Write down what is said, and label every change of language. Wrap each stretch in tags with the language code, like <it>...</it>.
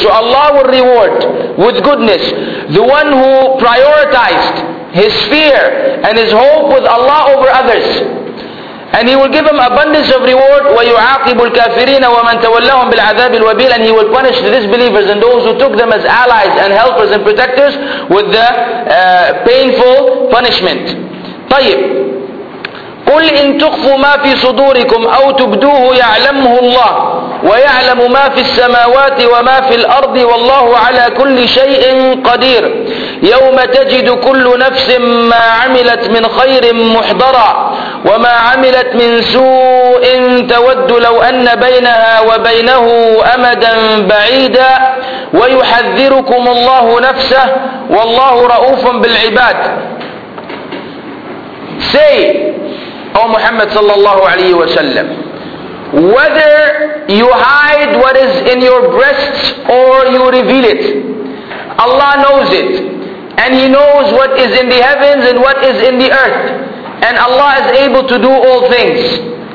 <en>So Allah will reward with goodness the one who prioritized his fear and his hope with Allah over others. And He will give him abundance of reward.</en> <ar>وَيُعَاقِبُ الْكَافِرِينَ وَمَنْ تَوَلَّهُمْ بِالْعَذَابِ الْوَبِيلِ.</ar> <en>And He will punish the disbelievers and those who took them as allies and helpers and protectors with the painful punishment.</en> <ar>طيب. قل إن تخفوا ما في صدوركم أو تبدوه يعلمه الله ويعلم ما في السماوات وما في الأرض والله على كل شيء قدير. يوم تجد كل نفس ما عملت من خير محضرا وما عملت من سوء تود لو أن بينها وبينه أمدا بعيدا ويحذركم الله نفسه والله رؤوف بالعباد.</ar> <en>Say, O Muhammad sallallahu alayhi wa sallam, whether you hide what is in your breasts or you reveal it, Allah knows it, and He knows what is in the heavens and what is in the earth, and Allah is able to do all things.</en>